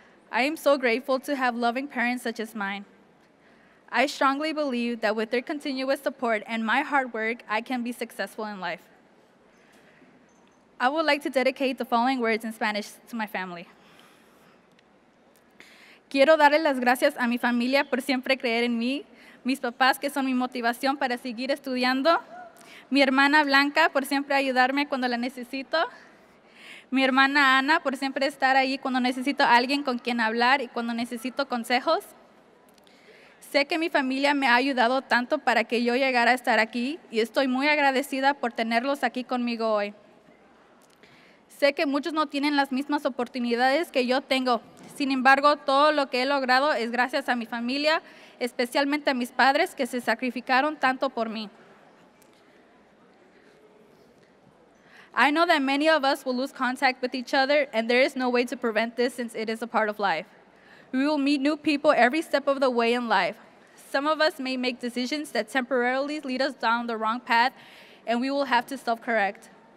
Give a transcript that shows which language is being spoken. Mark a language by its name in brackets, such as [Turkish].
[English] I am so grateful to have loving parents such as mine. I strongly believe that with their continuous support and my hard work, I can be successful in life. I would like to dedicate the following words in Spanish to my family. [Spanish] Quiero darle las gracias a mi familia por siempre creer en mí, mis papás que son mi motivación para seguir estudiando, mi hermana Blanca por siempre ayudarme cuando la necesito, mi hermana Ana por siempre estar ahí cuando necesito alguien con quien hablar y cuando necesito consejos. Sé que mi familia me ha ayudado tanto para que yo llegara a estar aquí y estoy muy agradecida por tenerlos aquí conmigo hoy. Sé que muchos no tienen las mismas oportunidades que yo tengo. Sin embargo, todo lo que he logrado es gracias a mi familia, especialmente a mis padres que se sacrificaron tanto por mí. [English] I know that many of us will lose contact with each other, and there is no way to prevent this since it is a part of life. We will meet new people every step of the way in life. Some of us may make decisions that temporarily lead us down the wrong path, and we will have to self-correct.